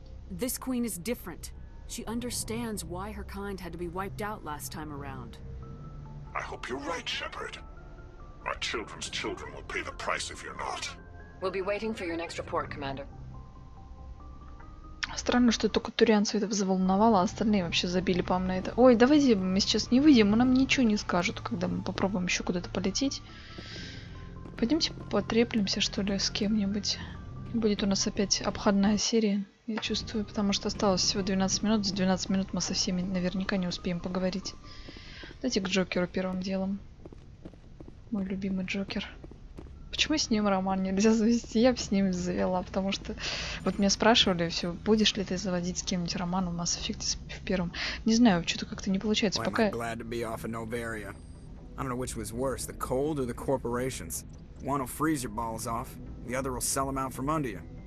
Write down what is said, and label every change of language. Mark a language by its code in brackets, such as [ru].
[en] This Queen is different. She understands why her kind had to be wiped out last time around. I hope you're right, Shepard. Our children's children will pay the price if you're not. We'll be waiting for your next report, Commander. [ru] Странно, что только турианцев это взволновало, а остальные вообще забили, по-моему, на это. Ой, давайте мы сейчас не выйдем, нам ничего не скажут, когда мы попробуем еще куда-то полететь. Пойдемте потреплемся, что ли, с кем-нибудь. Будет у нас опять обходная серия, я чувствую, потому что осталось всего 12 минут. За 12 минут мы со всеми наверняка не успеем поговорить. Давайте к Джокеру первым делом. Мой любимый Джокер. Почему с ним роман нельзя завести? Я бы с ним завела, потому что... вот меня спрашивали, все, будешь ли ты заводить с кем-нибудь роман в Mass Effect в первом. Не знаю, что-то как-то не получается, пока... [en] I'm glad to be off of Novaria. I don't know which was worse, the cold or the corporations. One will freeze your balls off, the other will sell them out from under you.